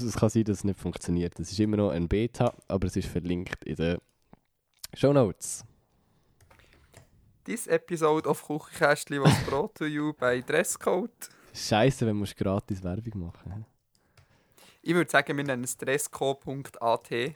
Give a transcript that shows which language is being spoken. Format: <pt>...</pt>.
<de>Es kann sein, dass es nicht funktioniert. Es ist immer noch ein Beta, aber es ist verlinkt in den Shownotes.</de> <en>This episode of Küchenkästli was brought to you by Dresscode.</en> <de>Scheiße, wenn du gratis Werbung machen musst. Ich würde sagen, wir nennen es stressco.at.</de>